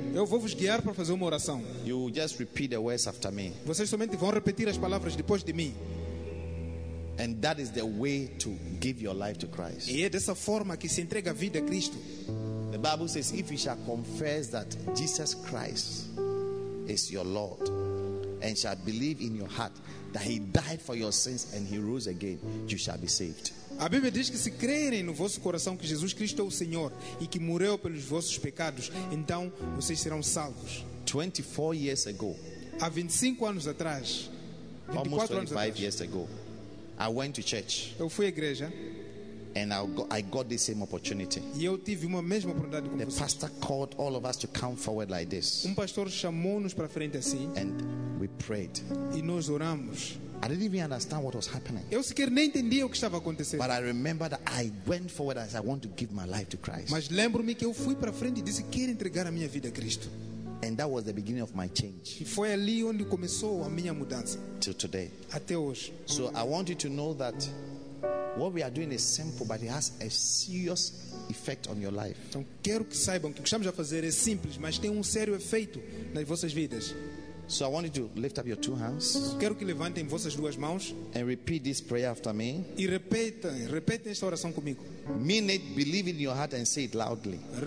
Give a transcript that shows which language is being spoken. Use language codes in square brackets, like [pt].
[pt] Eu vou vos guiar para fazer uma oração. [en] You just repeat the words after me. [pt] Vocês somente vão repetir as palavras depois de mim. [en] And that is the way to give your life to Christ. [pt] E é dessa forma que se entrega a vida a Cristo. [en] The Bible says, if you shall confess that Jesus Christ is your Lord, and shall believe in your heart that he died for your sins and he rose again, you shall be saved. [pt] A Bíblia diz que se crerem no vosso coração que Jesus Cristo é o Senhor e que morreu pelos vossos pecados, então vocês serão salvos. [en] 24 years ago. [pt] Há 25 anos atrás. [en] Almost 25 years ago. I went to church. [pt] Eu fui à igreja. [en] And I got the same opportunity. [pt] E eu tive uma mesma oportunidade com [en] the [pt] vocês. [en] Pastor called all of us to come forward like this. [pt] Pastor chamou-nos para frente assim. [en] And we prayed. [pt] E nós oramos. [en] I didn't even understand what was happening. [pt] Eu sequer nem entendi o que estava acontecendo. [en] But I remember that I went forward as I want to give my life to Christ. [pt] Mas lembro-me que eu fui para frente e disse quero entregar a minha vida a Cristo. [en] And that was the beginning of my change. [pt] E foi ali onde começou a minha mudança. [en] Till today. [pt] Até hoje. [en] So I want you to know that what we are doing is simple, but it has a serious effect on your life. [pt] Então quero que saibam que o que estamos a fazer é simples, mas tem sério efeito nas vossas vidas. [en] So I want you to lift up your two hands. [pt] Quero que levantem vossas duas mãos. [en] And repeat this prayer after me. [pt] E repetem esta oração comigo. [en] Mean it, believe in your heart and say it loudly.